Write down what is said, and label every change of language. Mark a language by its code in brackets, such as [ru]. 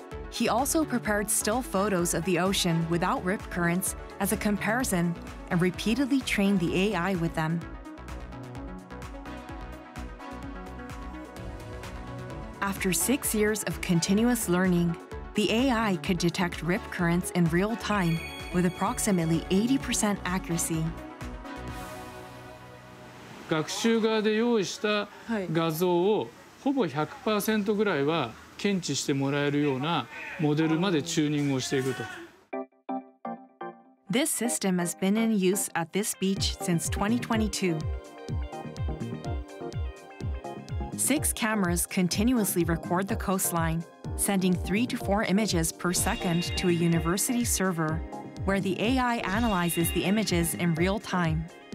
[en] He also prepared still photos of the ocean without rip currents as a comparison and repeatedly trained the AI with them. After 6 years of continuous learning,The AI could detect rip currents in real time with approximately 80% accuracy. [ja] 学習側で用意した画像をほぼ 100% ぐらいは検知してもらえるようなモデルまでチューニングをしていくと。 [en] This system has been in use at this beach since 2022. Six cameras continuously record the coastline. Sending 3 to 4 images per second to a university server, where the AI analyzes the images in real time.